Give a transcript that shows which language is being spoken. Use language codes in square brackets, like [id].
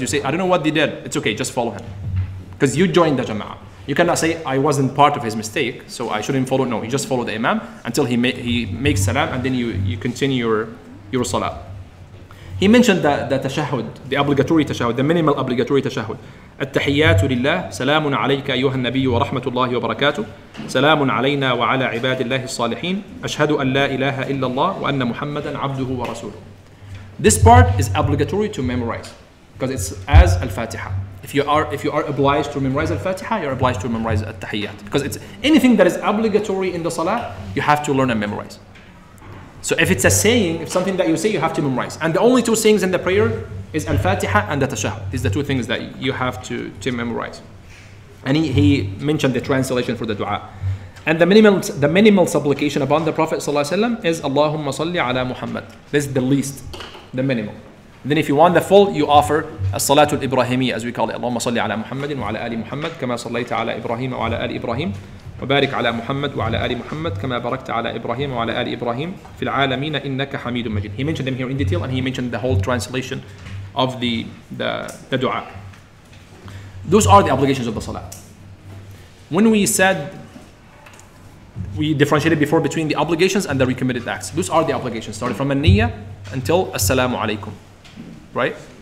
[en] You say, I don't know what they did. It's okay, just follow him. Because you joined the jama'ah. You cannot say, I wasn't part of his mistake, so I shouldn't follow. No, you just follow the imam until he makes salam, and then you continue your salah. He mentioned the tashahud, the obligatory tashahud, the minimal obligatory tashahud. [ar] التحيات لله سلام عليك أيها النبي ورحمة الله وبركاته سلام علينا وعلى عباد الله الصالحين أشهد أن لا إله إلا الله وأن محمدا عبده ورسوله. [en] This part is obligatory to memorize because it's as al-Fatiha. If you are obliged to memorize al-Fatiha, you're obliged to memorize al-Tahiyyat. Because it's anything that is obligatory in the salah, you have to learn and memorize. So if it's a saying, if something that you say, you have to memorize. And the only two sayings in the prayer is al-Fatiha and the tashahud. These are the two things that you have to memorize. And he mentioned the translation for the dua. And the minimal supplication upon the Prophet ﷺ is [ar] Allahumma salli ala Muhammad. [en] This is the least, the minimal. And then if you want the full, you offer as-salatu al-Ibrahimi, as we call it. [ar] Allahumma salli ala Muhammadin wa ala ali Muhammad, kama sallaita ala Ibrahim wa ala ali Ibrahim. وبارك على محمد وعلى آل محمد كما باركت على إبراهيم وعلى آل إبراهيم في العالمين إنك حميد مجيد. [en] He mentioned them here in detail and he mentioned the whole translation of the dua. Those are the obligations of the salah. When we said, we differentiated before between the obligations and the recommitted acts. Those are the obligations, starting from an-niyya until assalamu alaikum, right?